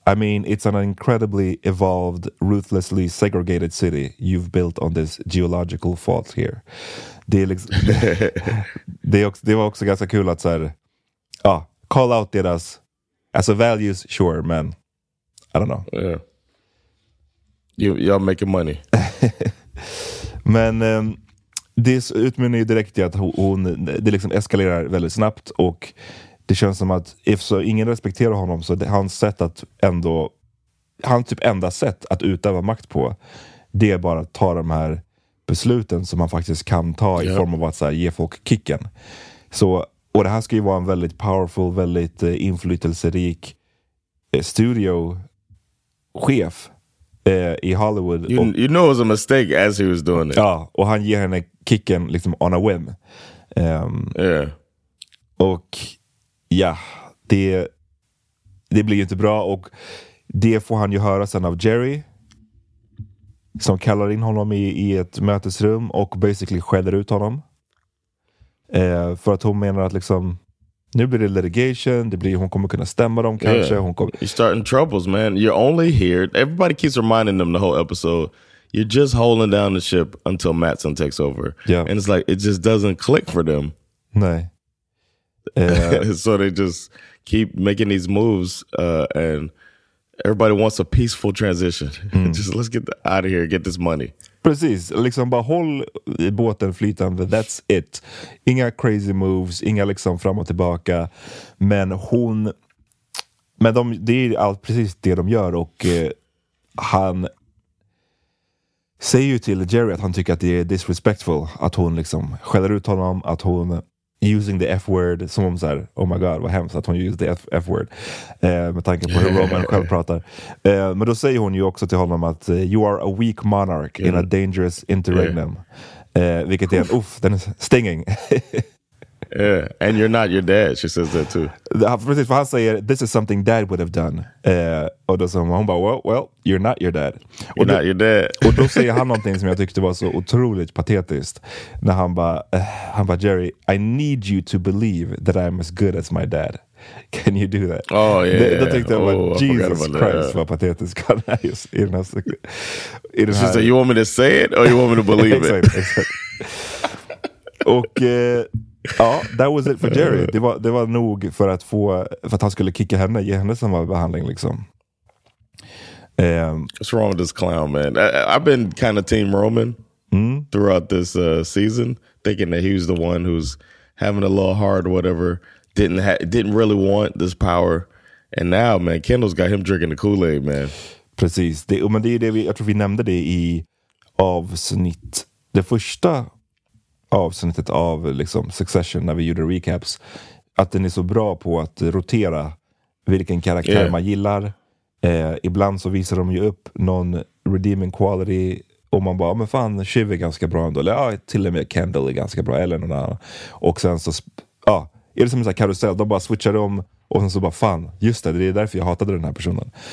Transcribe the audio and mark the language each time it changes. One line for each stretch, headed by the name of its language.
English: I mean, it's an incredibly evolved, ruthlessly segregated city you've built on this geological fault here.
Swedish: Det är liksom, det var också ganska kul att så här, ah,
English: call out
Swedish: deras, alltså values, sure, men
English: I don't know. Yeah. Y'all making money.
Swedish: Men det utmynnar ju direkt i att hon, det liksom eskalerar väldigt snabbt, och det känns som att if så ingen respekterar honom, så det, hans sätt att ändå, han typ enda sätt att utöva makt på, det är bara att ta de här besluten som man faktiskt kan ta i form av att så här, ge folk kicken. Så, och det här ska ju vara en väldigt powerful, väldigt inflytelserik studio chef i Hollywood.
English: You know it was a mistake as he was doing it.
Swedish: Ja, och han ger henne kicken liksom
English: on a whim.
Swedish: Och ja, det blir ju inte bra, och det får han ju höra sen av Jerry, som kallar in honom i ett mötesrum och basically skäller ut honom. För att hon menar att liksom, nu blir det litigation, det blir, hon kommer kunna stämma dem kanske. Yeah. Hon kommer,
English: you're starting troubles, man. You're only here. Everybody keeps reminding them the whole episode. You're just holding down the ship until Mattson takes over. Yeah. And it's like, it just doesn't click for them.
Swedish: Nej.
English: So they just keep making these moves, and everybody wants a peaceful transition. Just let's get out of here, get this money.
Swedish: Precis, liksom bara håll båten flytande,
English: that's it.
Swedish: Inga crazy moves, inga liksom fram och tillbaka. Men hon, men de, det är allt precis det de gör. Och han säger ju till Jerry att han tycker att det är disrespectful, att hon liksom skäller ut honom, att hon
English: using the F-word,
Swedish: som om såhär,
English: oh my god,
Swedish: vad hemskt att hon
English: used the F-word.
Swedish: Med tanke på hur Roman själv pratar. Men då säger hon ju också till honom att
English: you are a weak monarch in a dangerous interregnum.
Swedish: Vilket är, uff, den är stinging.
English: Yeah, and you're not your dad, she says that too.
Swedish: Precis, för han säger,
English: this is something dad would have done.
Swedish: Och då säger hon bara,
English: well, you're not your dad. You're not your dad.
Swedish: Och då säger han någonting som jag tyckte var så otroligt patetiskt. När han bara,
English: Jerry, I need you to believe that I'm as good as my dad. Can you do that? Oh, yeah.
Swedish: Då tyckte jag bara, Jesus Christ, vad patetisk han är just i den här sekunden.
English: She said, you want me to say it or you want me to believe
Swedish: exakt,
English: it?
Swedish: Exakt. Och ja,
English: that was it for Jerry.
Swedish: Det var nog för att få, för att han skulle kicka henne, ge henne samma behandling liksom.
English: What's wrong with this clown, man? I've been kind of team Roman throughout this season, thinking that he was the one who's having a little hard or whatever, didn't really want this power. And now, man, Kendall's got him drinking the Kool-Aid, man.
Swedish: Precis. Det, men det är det vi, jag tror vi nämnde det i avsnitt, det första avsnittet av liksom Succession när vi gjorde recaps, att den är så bra på att rotera vilken karaktär man gillar. Ibland så visar de ju upp någon redeeming quality och man bara, men fan, Shiv är ganska bra ändå, eller ja, till och med Kendall är ganska bra, eller någon annan, och sen så ja, är det som en sån här karusell, de bara switchar om och sen så bara, fan, just det, det är därför jag hatade den här personen.